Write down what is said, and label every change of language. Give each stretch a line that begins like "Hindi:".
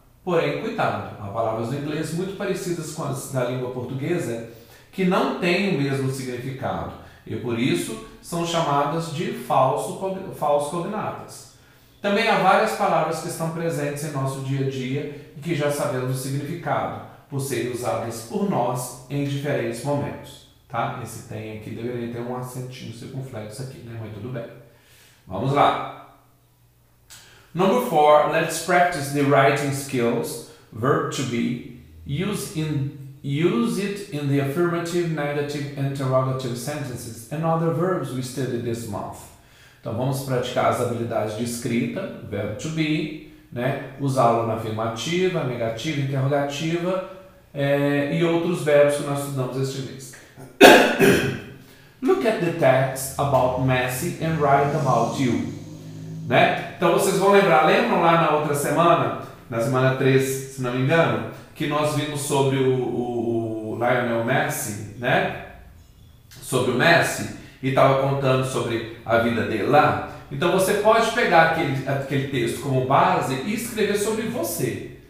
Portuguese: Porém, cuidado, há palavras do inglês muito parecidas com as da língua portuguesa que não têm o mesmo significado e por isso são chamadas de falsos cognatas. Também há várias palavras que estão presentes em nosso dia a dia e que já sabemos o significado, por serem usadas por nós em diferentes momentos, tá? Esse tem aqui, deveria ter um acentinho circunflexo aqui, né? Mas tudo bem. Vamos lá.
English: Number four, let's practice the writing skills, verb to be, use it in the affirmative, negative, interrogative sentences and other verbs we studied this month.
Portuguese: Então vamos praticar as habilidades de escrita,
English: verb to be,
Portuguese: né? Usá-lo na afirmativa, negativa, interrogativa, e outros verbos que nós estudamos este mês.
English: Look at the text about Messi and write about you.
Portuguese: Né? Então vocês vão lembrar, lembram lá na outra semana, na semana 3, se não me engano, que nós vimos sobre o Lionel Messi, né? Sobre o Messi, e estava contando sobre a vida dele lá. Então você pode pegar aquele texto como base e escrever sobre você.